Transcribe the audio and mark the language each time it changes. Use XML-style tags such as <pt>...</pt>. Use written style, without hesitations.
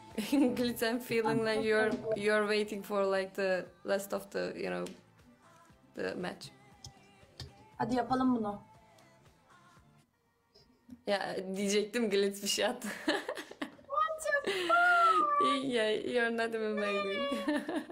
<en>Glitz, I'm feeling like you're waiting for like the last of the, you know, the match.</en> <tr>Hadi yapalım bunu. Ya diyecektim Glitz bir şey at.</tr> <en>What the fuck? Yeah, you're not even waiting.</en>